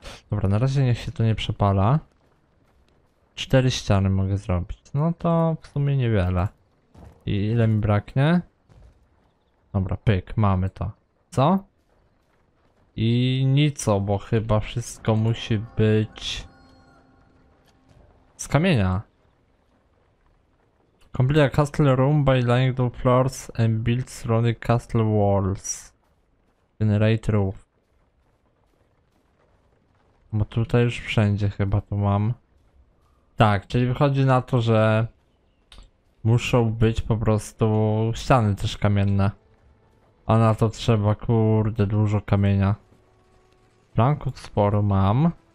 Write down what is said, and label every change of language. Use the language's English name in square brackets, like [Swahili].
[Polish] Dobra, na razie niech się to nie przepala. Cztery ściany mogę zrobić. No to w sumie niewiele. I ile mi braknie? Dobra, pyk, mamy to. Co? I nic, bo chyba wszystko musi być... z kamienia. [English] Complete a castle room by laying the floors and build surrounding castle walls. Generate roof. [Polish] Bo tutaj już wszędzie chyba to mam. Tak, czyli wychodzi na to, że muszą być po prostu ściany też kamienne. A na to trzeba, kurde, dużo kamienia. Planków sporo mam.